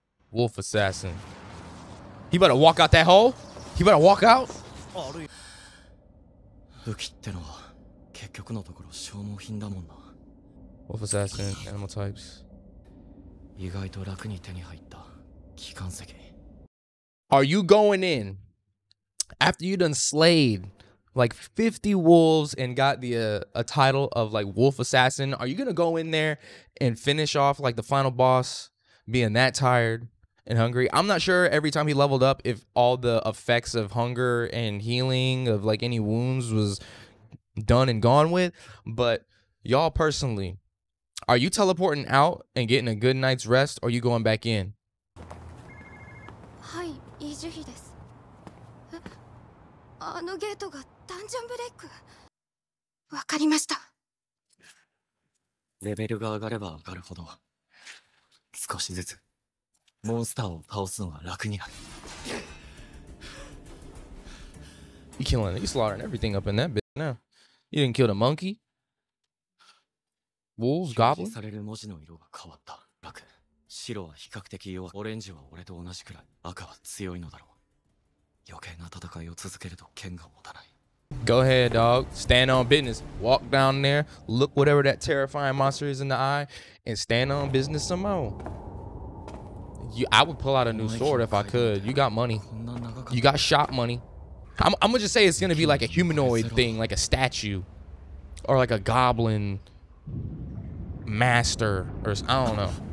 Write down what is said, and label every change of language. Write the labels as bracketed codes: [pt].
[en] Wolf assassin. He better walk out that hole. He better walk out. [ja] 武器ってのは結局のところ消耗品だもんな。 [en] Wolf assassin, animal types. [ja] 意外と楽に手に入った機関石。 [en] Are you going in after you done slayed like 50 wolves and got the a title of like wolf assassin? Are you gonna go in there and finish off like the final boss being that tired and hungry? I'm not sure every time he leveled up if all the effects of hunger and healing of like any wounds was done and gone with, but y'all personally. Are you teleporting out and getting a good night's rest, or are you going back in? [ja] はい、イジュヒです。あのゲートがダンジョンブレイク。わかりました。レベルが上がれば上がるほど、少しずつモンスターを倒すのが楽になる。 [en] You killing? You slaughtering everything up in that bitch now? You didn't kill the monkey? Wolves, goblins? [ja] 表示される文字の色が変わった。楽。白は比較的弱。オレンジは俺と同じくらい。赤は強いのだろう。余計な戦いを続けると剣が持たない。 [en] Go ahead, dog. Stand on business. Walk down there. Look whatever that terrifying monster is in the eye, and stand on business some more. I would pull out a new sword if I could. You got money. You got shop money. I'm gonna just say it's gonna be like a humanoid thing, like a statue, or like a goblin master, or I don't know.